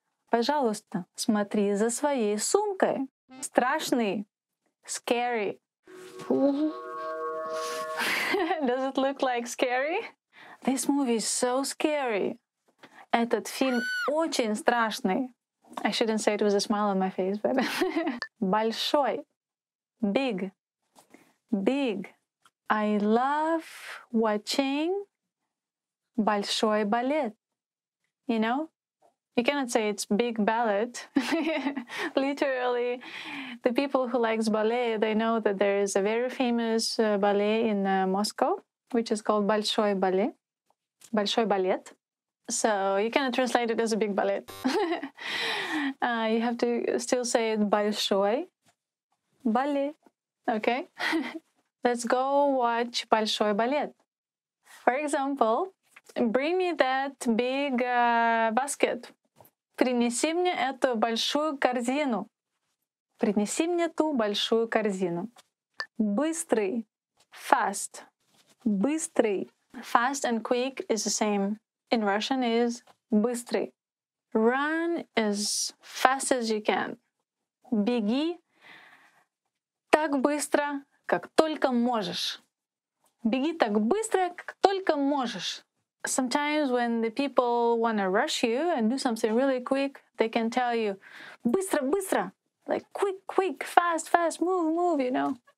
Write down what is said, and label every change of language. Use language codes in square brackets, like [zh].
[ru] Пожалуйста, смотри за своей сумкой. Страшный. Scary. [en] Does it look like scary? This movie is so scary. [ru] Этот фильм очень страшный. [en] I shouldn't say it with a smile on my face, but... Большой. Big. Big. I love watching большой балет. You know? You cannot say it's big ballet. Literally, the people who likes ballet, they know that there is a very famous ballet in Moscow, which is called Большой Ballet. [ru] Большой балет. [en] So you cannot translate it as a big ballet. You have to still say it Большой Ballet. Okay. Let's go watch Большой Ballet. For example, bring me that big basket. [ru] Принеси мне эту большую корзину. Принеси мне ту большую корзину. Быстрый. [en] Fast. [ru] Быстрый. [en] Fast and quick is the same in Russian is [ru] быстрый. [en] Run as fast as you can. [ru] Беги так быстро, как только можешь. Беги так быстро, как только можешь. [en] Sometimes when the people want to rush you and do something really quick, they can tell you, [ru] быстро, быстро, [en] like quick, quick, fast, fast, move, move, you know.